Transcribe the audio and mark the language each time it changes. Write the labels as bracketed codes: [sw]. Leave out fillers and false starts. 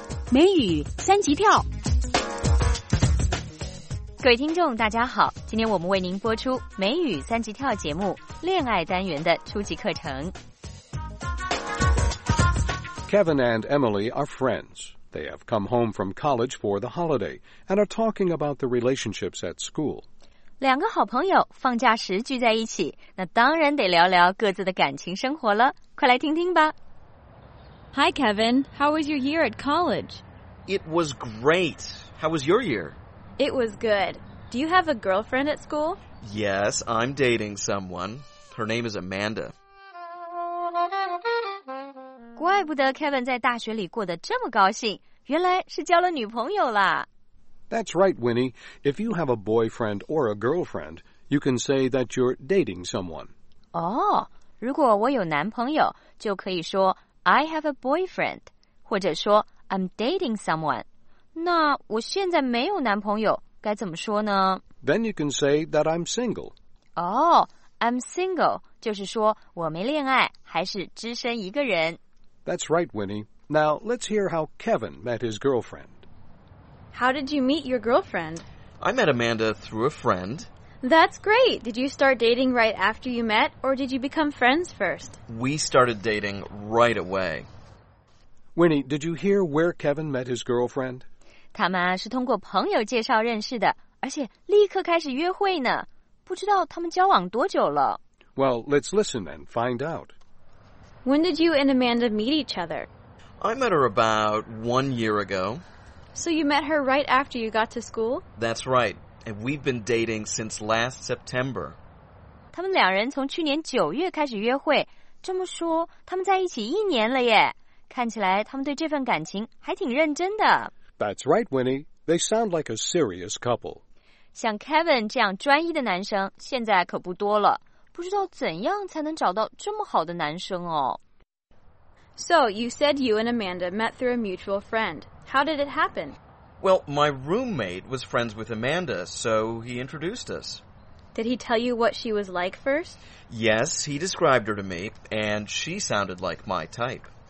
[zh] 美语三级跳。各位听众大家好，今天我们为您播出美语三级跳节目恋爱单元的初级课程。 [en] Kevin and Emily are friends. They have come home from college for the holiday and are talking about the relationships at school. [zh] 两个好朋友放假时聚在一起，那当然得聊聊各自的感情生活了。快来听听吧。 [en] Hi, Kevin. How was your year at college? It was great. How was your year? It was good. Do you have a girlfriend at school? Yes, I'm dating someone. Her name is Amanda. [zh] 怪不得 Kevin 在大学里过得这么高兴，原来是交了女朋友啦。 [en] That's right, Winnie. If you have a boyfriend or a girlfriend, you can say that you're dating someone. [zh] Oh, 如果我有男朋友，就可以说 [en] I have a boyfriend, [zh] 或者说 [en] I'm dating someone. [zh] 那我现在没有男朋友，该怎么说呢？ [en] Then you can say that I'm single. [zh] Oh, [en] I'm single, [zh] 就是说我没恋爱，还是只身一个人。 [en] That's right, Winnie. Now, let's hear how Kevin met his girlfriend. How did you meet your girlfriend? I met Amanda through a friend. That's great. Did you start dating right after you met, or did you become friends first? We started dating right away. Winnie, did you hear where Kevin met his girlfriend? [zh] 他们是通过朋友介绍认识的，而且立刻开始约会呢。不知道他们交往多久了。 [en] Well, let's listen and find out. When did you and Amanda meet each other? I met her about 1 year ago. So you met her right after you got to school? That's right. And we've been dating since last September. [zh] 他们两人从去年九月开始约会。这么说，他们在一起一年了耶。看起来他们对这份感情还挺认真的。 [en] That's right, Winnie. They sound like a serious couple. [zh] 像 Kevin 这样专一的男生现在可不多了。不知道怎样才能找到这么好的男生哦。 [en] So, you said you and Amanda met through a mutual friend. How did it happen? Well, my roommate was friends with Amanda, so he introduced us. Did he tell you what she was like first? Yes, he described her to me, and she sounded like my type.